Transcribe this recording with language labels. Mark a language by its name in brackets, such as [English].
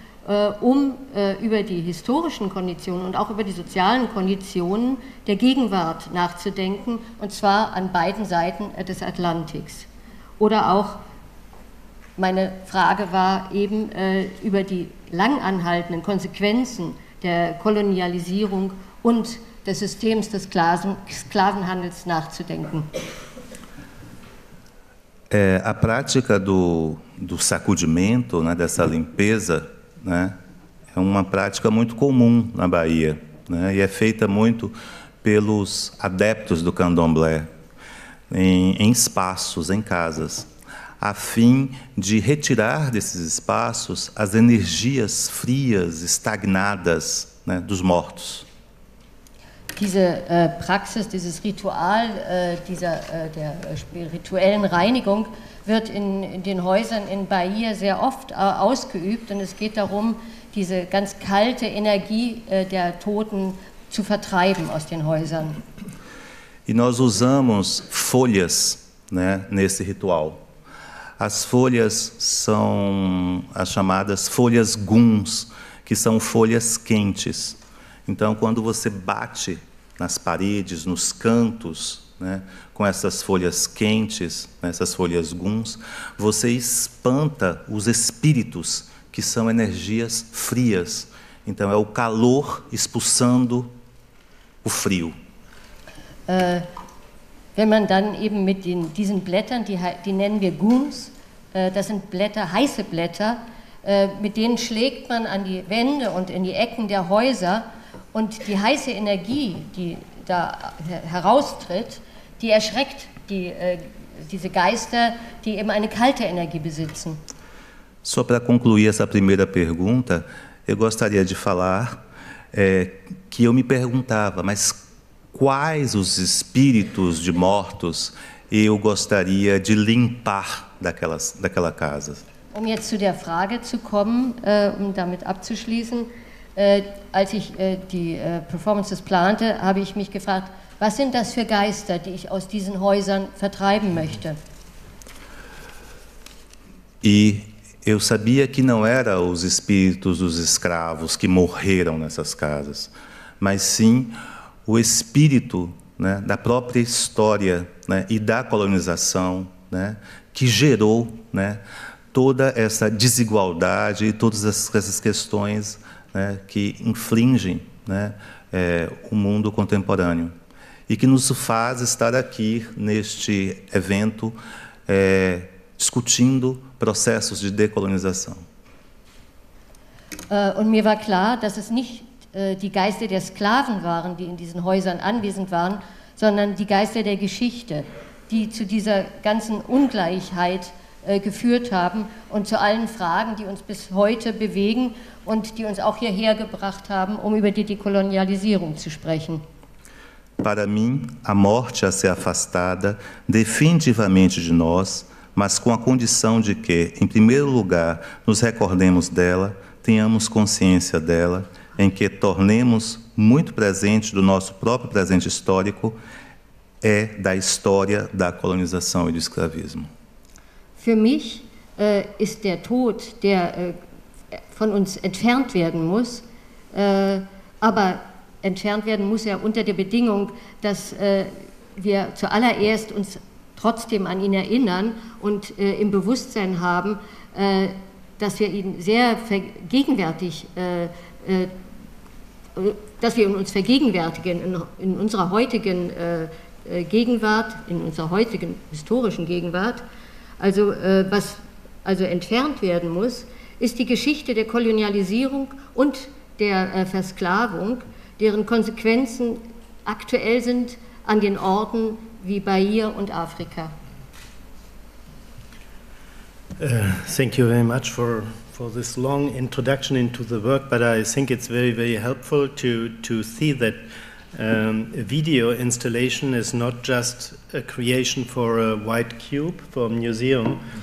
[German] Über die historischen Konditionen und auch über die sozialen Konditionen der Gegenwart nachzudenken, und zwar an beiden Seiten des Atlantiks. Oder auch, meine Frage war eben, über die langanhaltenden Konsequenzen der Kolonialisierung und des Systems des Sklavenhandels nachzudenken. [Portuguese] A prática do sacudimento, né, dessa limpeza, né, é uma prática muito comum na Bahia, né, e é feita muito pelos adeptos do candomblé, em espaços, em casas, a fim de retirar desses espaços as energias frias, estagnadas, né, dos mortos. [German] Diese Praxis, dieses Ritual der spirituellen Reinigung wird in den Häusern in Bahia sehr oft ausgeübt, und es geht darum, diese ganz kalte Energie der Toten zu vertreiben aus den Häusern. [Portuguese] E nós usamos folhas, né, nesse ritual. As folhas são as chamadas folhas guns, que são folhas quentes. Então, quando você bate nas paredes, nos cantos, né, com essas folhas quentes, essas folhas guns, você espanta os espíritos, que são energias frias. Então é o calor expulsando o frio. [German] Wenn man dann eben mit diesen Blättern, die nennen wir Guns, das sind Blätter, heiße Blätter, mit denen schlägt man an die Wände und in die Ecken der Häuser. Und die heiße Energie, die da heraustritt, die erschreckt diese Geister, die eben eine kalte Energie besitzen. [Portuguese] Só para concluir essa primeira pergunta, eu gostaria de falar que eu me perguntava, mas quais os espíritos de mortos eu gostaria de limpar daquela casa? [German] Um jetzt zu der Frage zu kommen, um damit abzuschließen, als ich die Performances plante, habe ich mich gefragt, was sind das für Geister, die ich aus diesen Häusern vertreiben möchte? [Portuguese] E eu sabia que não era os espíritos dos escravos que morreram nessas casas, mas sim o espírito, né, da própria história, né, e da colonização, né, que gerou, né, toda essa desigualdade e todas essas questões, né, que infringem, né, o mundo contemporâneo e que nos faz estar aqui neste evento discutindo processos de decolonização. [German] Und mir war klar, dass es nicht die Geister der Sklaven waren, die in diesen Häusern anwesend waren, sondern die Geister der Geschichte, die zu dieser ganzen Ungleichheit geführt haben und zu allen Fragen, die uns bis heute bewegen und die uns auch hierher gebracht haben, um über die Dekolonialisierung zu sprechen. [Portuguese] Para mim, a morte a ser afastada definitivamente de nós, mas com a condição de que, em primeiro lugar, nos recordemos dela, tenhamos consciência dela, em que tornemos muito presente do nosso próprio presente histórico, é da história da colonização e do escravismo. [German] Für mich ist der Tod, der von uns entfernt werden muss, aber entfernt werden muss er unter der Bedingung, dass wir zuallererst uns trotzdem an ihn erinnern und im Bewusstsein haben, dass wir ihn sehr vergegenwärtig, dass wir uns vergegenwärtigen in unserer heutigen Gegenwart, in unserer heutigen historischen Gegenwart. Also was also entfernt werden muss, ist die Geschichte der Kolonialisierung und der Versklavung, deren Konsequenzen aktuell sind an den Orten wie Bahia und Afrika. [English] Thank you very much for this long introduction into the work, but I think it's very, very helpful to see that a video installation is not just a creation for a white cube for a museum.